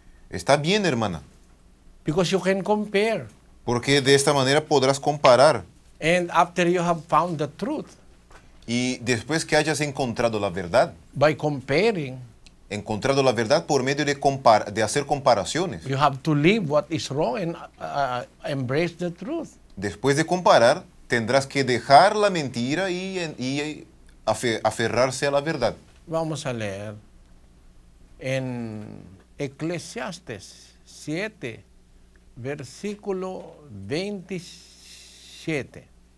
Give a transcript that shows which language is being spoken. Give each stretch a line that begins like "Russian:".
Spanish: Está bien, hermana.
English: Because you can compare.
Spanish: Porque de esta manera podrás comparar.
English: And after you have found the truth.
Spanish: Y después que hayas encontrado la verdad.
English: By comparing.
Spanish: Encontrado la verdad por medio de hacer comparaciones.
English: You have to leave what is wrong and embrace the truth.
Spanish: Después de comparar, tendrás que dejar la mentira y aferrarse a la verdad. Vamos a leer en Eclesiastes 7, versículo 27.